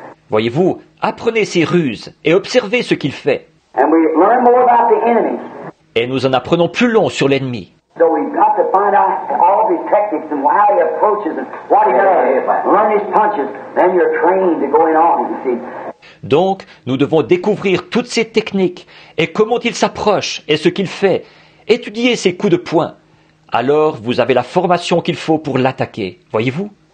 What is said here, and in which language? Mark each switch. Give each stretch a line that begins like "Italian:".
French: Voyez-vous, apprenez ses ruses et observez ce qu'il fait.
English: And we learn more about the enemy.
French: Et nous en apprenons plus long sur l'ennemi.
English: So we've got to find out all these techniques and how he approaches and what he does. Learn his punches, then you're trained to go in on him, you see.
French: Donc, nous devons découvrir toutes ces techniques et comment il s'approche et ce qu'il fait. Étudiez ses coups de poing. Alors, vous avez la formation qu'il faut pour l'attaquer. Voyez-vous?